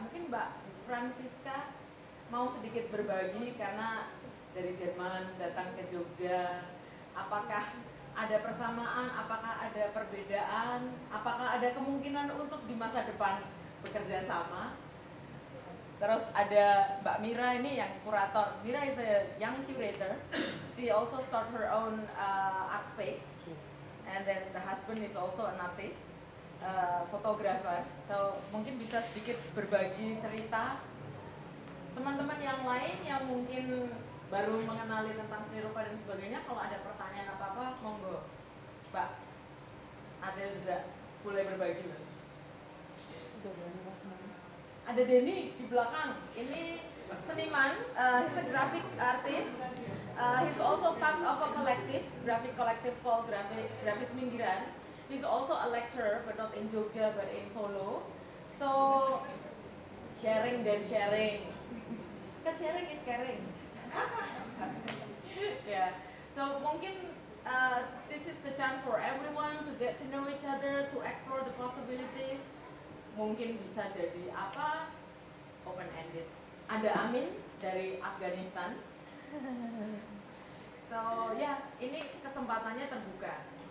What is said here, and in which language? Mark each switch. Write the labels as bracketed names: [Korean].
[Indonesian] Mungkin Mbak Francisca mau sedikit berbagi karena dari Jerman datang ke Jogja. Apakah ada persamaan, apakah ada perbedaan, apakah ada kemungkinan untuk di masa depan bekerja sama? Terus ada Mbak Mira ini yang kurator. [English] Mira is a young curator. She also start her own art space. And then the husband is also an artist, photographer. [Indonesian] So mungkin bisa sedikit berbagi cerita. Teman-teman yang lain yang mungkin baru mengenali tentang seni rupa dan sebagainya, kalau ada pertanyaan apa-apa, monggo. Mbak, ada juga boleh berbagi. Ada Denny di belakang. Ini seniman, [English] he's a graphic artist. He's also part of a collective, graphic collective called Grafis Minggiran. He's also a lecturer, but not in Jogja, but in Solo. So, sharing dan sharing. Because sharing is caring. Yeah. So, mungkin this is the chance for everyone to get to know each other, to explore the possibility. [Indonesian] Mungkin bisa jadi apa, open-ended. Ada Amin dari Afghanistan. So yeah, ini kesempatannya terbuka.